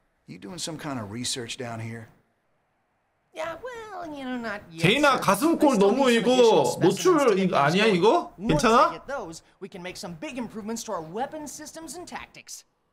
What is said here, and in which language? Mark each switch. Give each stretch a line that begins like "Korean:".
English: You doing some kind of research down here? Yeah, well, you know, not yet.
Korean: 제이나 가슴골 너무 이거 노출 이거 아니야 이거? 괜찮아?
English: We can make some big improvements to our weapon systems and tactics.